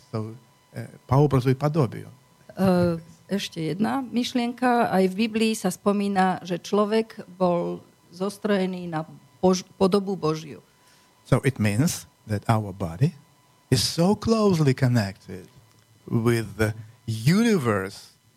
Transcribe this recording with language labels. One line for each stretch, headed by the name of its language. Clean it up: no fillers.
Russian: So po obrazu i podobiu.
Slovak: Ešte jedna myšlienka. Aj v Biblii sa spomína, že človek bol zostrojený na podobu Božiu.
English: So it means that our body is so closely connected with the universe.